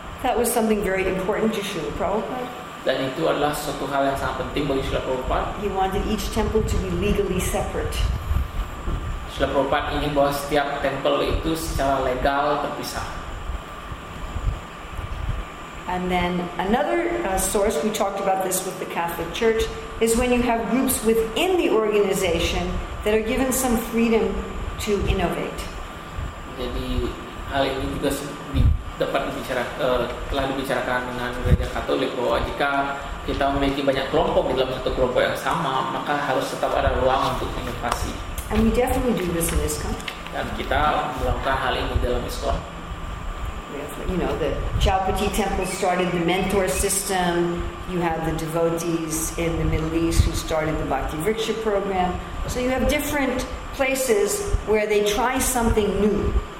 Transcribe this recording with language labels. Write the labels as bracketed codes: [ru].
[en] That was something very important to Srila Prabhupada. [id] Dan itu adalah suatu hal yang sangat penting bagi Srila Prabhupada. [en] He wanted each temple to be legally separate. [id] Srila Prabhupada ingin bahwa setiap temple itu secara legal terpisah. [en] And then another source, we talked about this with the Catholic Church, is when you have groups within the organization that are given some freedom to innovate. [id] Jadi hal ini juga dapat dibicarakan dengan gereja Katolik, bahwa jika kita memiliki banyak kelompok di dalam satu kelompok yang sama, maka harus tetap ada ruang untuk inovasi. [en] And we definitely do this in ISKCON. [id] Dan kita melakukan hal ini dalam ISKCON. [en] You know, the Chaupati temple started the mentor system. You have the devotees in the Middle East who started the Bhakti Viksha program. So you have different places where they try something new.